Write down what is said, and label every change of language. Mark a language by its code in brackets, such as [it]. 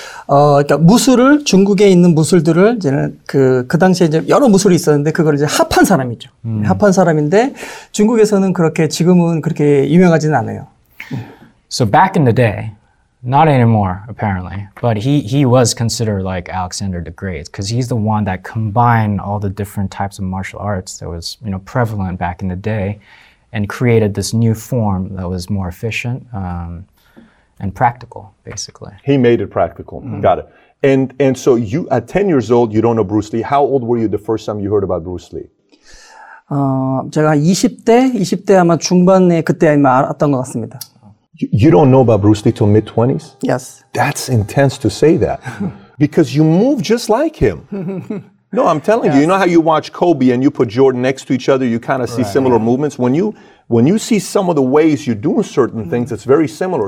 [ko] 그러니까 무술을 중국에 있는 무술들을 이제는 그 당시에 이제 여러 무술이 있었는데 그걸 이제 합한 사람이죠. 합한 사람인데 중국에서는 그렇게 지금은 그렇게 유명하지는 않아요. [en] So back in the day, not anymore, apparently, but he was considered like Alexander the Great because he's the one that combined all the different types of martial arts that was, you know, prevalent back in the day and created this new form that was more efficient and practical, basically. He made it practical. Mm-hmm. Got it. And so you, at 10 years old, you don't know Bruce Lee. How old were you the first time you heard about Bruce Lee? [ko] 제가 20대 아마 중반에 그때 아마 알았던 것 같습니다. [en] You don't know about Bruce Lee till mid-20s? Yes. That's intense to say that. Because you move just like him. No, I'm telling you, you know how you watch Kobe and you put Jordan next to each other, you kind of see similar movements? When you see some of the ways you're doing certain things, it's very similar.